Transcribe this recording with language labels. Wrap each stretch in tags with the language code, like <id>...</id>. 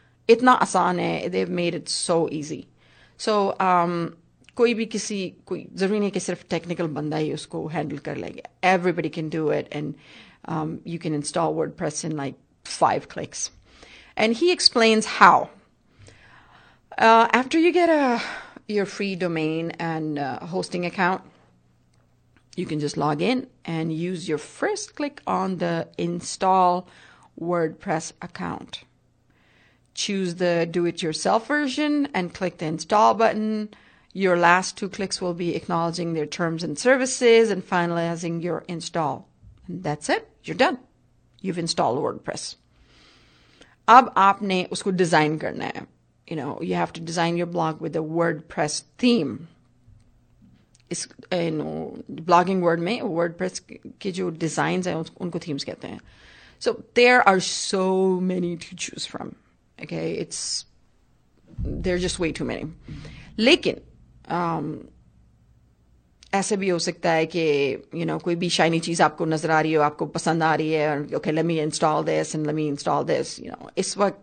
<hi>इतना आसान है,</hi> <en>They made it so easy.</en> <hi>सो कोई भी किसी कोई जरूरी नहीं कि सिर्फ टेक्निकल बंदा ही उसको हैंडल कर लेगा.</hi> <en>Everybody can do it, and you can install WordPress in like 5 clicks. And he explains how. After you get your free domain and hosting account, you can just log in and use your first click on the install WordPress account. Choose the do-it-yourself version and click the install button. Your last 2 clicks will be acknowledging their terms and services and finalizing your install. And that's it. You're done. You've installed WordPress.</en> <hi>अब आपने उसको design करना है.</hi> <en>You have to design your blog with a WordPress theme.</en> <hi>इस blogging world में WordPress के जो designs हैं उनको थीम्स कहते हैं.</hi> <en>So there are so many to choose from. Okay, it's there just way too many.</en> <hi>लेकिन ऐसे भी हो सकता है कि कोई भी शाइनी चीज़ आपको नजर आ रही हो, आपको पसंद आ रही है, और</hi> <en>okay let me install this</en> <hi>and let मी install this.</hi>